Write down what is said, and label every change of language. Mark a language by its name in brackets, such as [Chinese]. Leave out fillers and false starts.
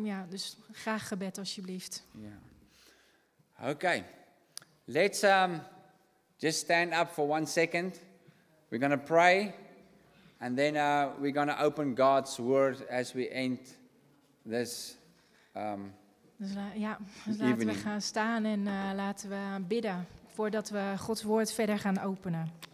[Dutch] Ja, dus graag gebed alsjeblieft. Ja. Yeah. Oké. Okay. [English] Let's just stand up for 1 second. We're going to pray. And then we're going to open God's word as we end this evening. [Dutch] Laten we gaan staan en laten we bidden voordat we Gods woord verder gaan openen.